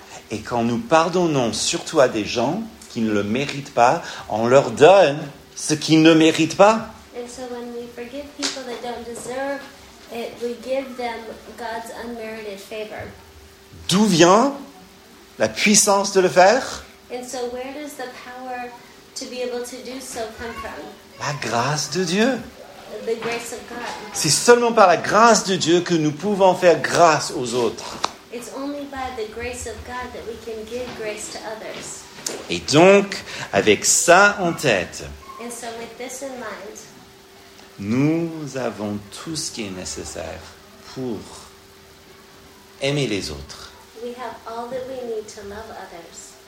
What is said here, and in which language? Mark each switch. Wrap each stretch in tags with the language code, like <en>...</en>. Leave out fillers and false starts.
<fr>Et quand nous pardonnons surtout à des gens qui ne le méritent pas, on leur donne ce qu'ils ne méritent pas.</fr> <en>And so when we forgive people that don't deserve it, we give them God's unmerited favor.</en> <fr>D'où vient la puissance de le faire?</fr> <en>And so where does the power to be able to do so come from?</en> <fr>La grâce de Dieu.</fr> <en>The grace of God.</en> <fr>C'est seulement par la grâce de Dieu que nous pouvons faire grâce aux autres.</fr> <en>It's only by the grace of God that we can give grace to others.</en> <fr>Et donc, avec ça en tête,</fr> <en>and so with this in mind,</en> <fr>nous avons tout ce qui est nécessaire pour aimer les autres.</fr> <en>We have all that we need to love others.</en>